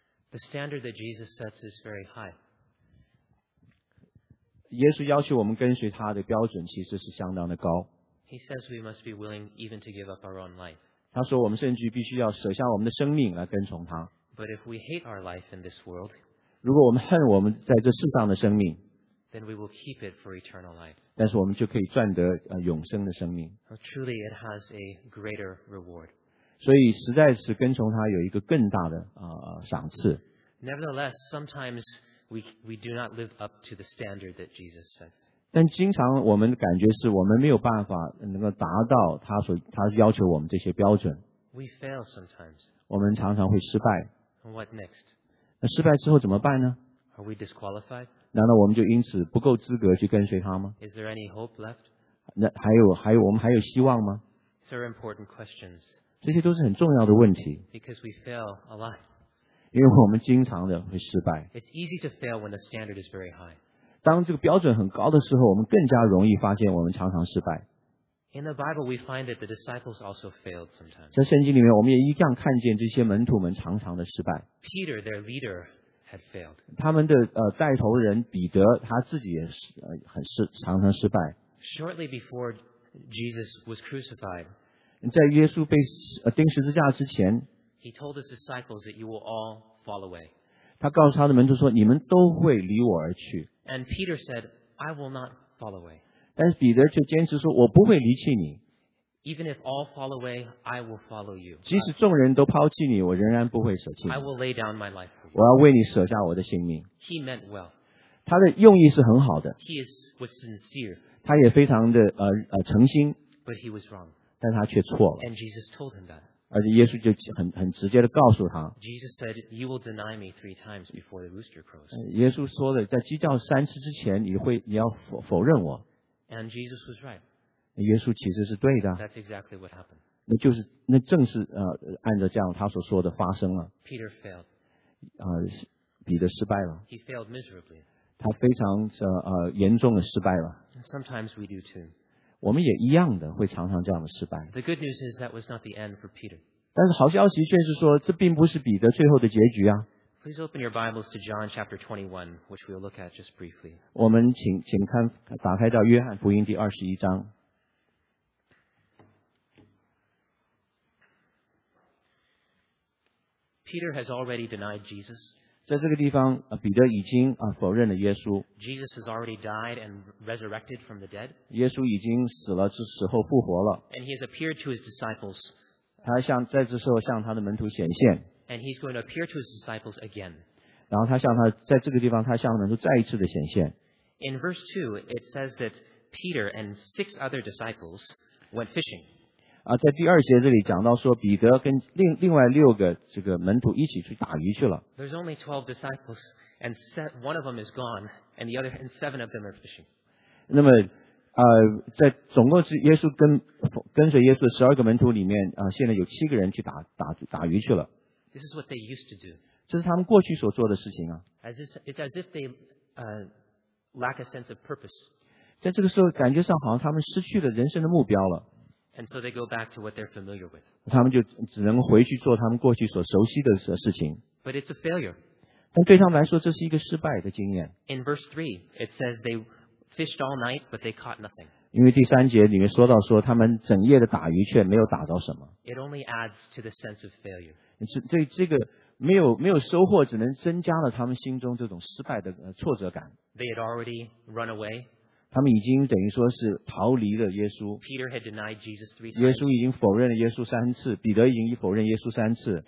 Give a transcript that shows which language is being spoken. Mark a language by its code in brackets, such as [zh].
[en] The standard that Jesus sets is very high. [zh] 耶稣要求我们跟随他的标准其实是相当的高。 [en] He says we must be willing even to give up our own life. [zh] 他说我们甚至必须要舍下我们的生命来跟从他。 [en] But if we hate our life in this world, [zh] 如果我们恨我们在这世上的生命, [en] then we will keep it for eternal life. [zh] 但是我们就可以赚得永生的生命。 [en] Truly, it has a greater reward. [zh] 所以实在是跟从他有一个更大的赏赐。 [en] Nevertheless, sometimes we do not live up to the standard that Jesus sets. [zh] 但经常我们感觉是我们没有办法能够达到他要求我们这些标准。 [en] We fail sometimes. [zh] 我们常常会失败。 [en] What next? [zh] 那失败之后怎么办呢? [en] Are we disqualified? [zh] 难道我们就因此不够资格去跟随他吗? [en] Is there any hope left? [zh] 那还有我们还有希望吗？ [en] These are important questions. [zh] 这些都是很重要的问题。 [en] Because we fail a lot. [zh] 因为我们经常的会失败。 [en] It's easy to fail when the standard is very high. [zh] 当这个标准很高的时候，我们更加容易发现我们常常失败。 [en] In the Bible, we find that the disciples also failed sometimes. [zh] 在圣经里面，我们也一样看见这些门徒们常常的失败。 [en] Peter, their leader, had failed. [zh] 他们的带头人彼得，他自己也很失常常失败。 [en] Shortly before Jesus was crucified, [zh] 在耶稣被钉十字架之前 [en] ，He told his disciples that you will all fall away. [zh] 他告诉他的门徒说，你们都会离我而去。 [en] And Peter said, I will not fall away. [zh] 但是彼得就坚持说，我不会离弃你。 [en] Even if all fall away, I will follow you. [zh] 即使众人都抛弃你，我仍然不会舍弃你。 [en] I will lay down my life for you. [zh] 我要为你舍下我的性命。 [en] He meant well. [zh] 他的用意是很好的。 [en] He was sincere. [zh] 他也非常的诚心 [en] But he was wrong. [zh] 但他却错了 [en] And Jesus told him that. [zh] 而且耶稣就 很直接地告诉他 [en] Jesus said, you will deny me three times before the rooster crows. [zh] 耶稣说的在鸡叫三次之前 你要否认我 [en] And Jesus was right. [zh] 耶稣其实是对的 [en] That's exactly what happened. [zh] 那正是按照这样他所说的发生了 [en] Peter failed. [zh] 彼得失败了 [en] He failed miserably. [zh] 他非常严重的失败了。 [en] Sometimes we do too. [zh] 我们也一样的会常常这样的失败。 [en] The good news is that was not the end for Peter. [zh] 但是好消息却是说，这并不是彼得最后的结局啊。 [en] Please open your Bibles to John chapter 21, which we'll look at just briefly. [zh] 我们请看，打开到约翰福音第二十一章。 [en] Peter has already denied Jesus. [zh] 在这个地方彼得已经否认了耶稣。 [en] Jesus has already died and resurrected from the dead. [zh] 耶稣已经死了是死后复活了。 [en] And he has appeared to his disciples. [zh] 他向在这时候向他的门徒显现。 [en] And he's going to appear to his disciples again. [zh] 然后他向他在这个地方他向门徒再一次的显现。 [en] In verse 2, it says that Peter and six other disciples went fishing. [zh] 在第二节这里讲到说彼得跟 另外六个这个门徒一起去打鱼去了。 [en] There's only 12 disciples, and one of them is gone, and the other, and seven of them are fishing. [zh] 那么在总共是耶稣跟随耶稣的十二个门徒里面现在有七个人去打鱼去了。 [en] This is what they used to do. [zh] 这是他们过去所做的事情啊。 [en] It's as if they lack a sense of purpose. [zh] 在这个时候感觉上好像他们失去了人生的目标了。 [en] And so they go back to what they're familiar with. [zh] 他们就只能回去做他们过去所熟悉的事情。 [en] But it's a failure. [zh] 但对他们来说，这是一个失败的经验。 [en] In verse 3, it says they fished all night, but they caught nothing. [zh] 因为第三节里面说到说他们整夜的打鱼却没有打到什么。 [en] It only adds to the sense of failure. [zh] 这个没有收获，只能增加了他们心中这种失败的挫折感。 [en] They had already run away. [zh] 他们已经等于说是逃离了耶稣。 [en] Peter had denied Jesus three times. [zh] 耶稣已经否认了耶稣三次，彼得已经否认耶稣三次。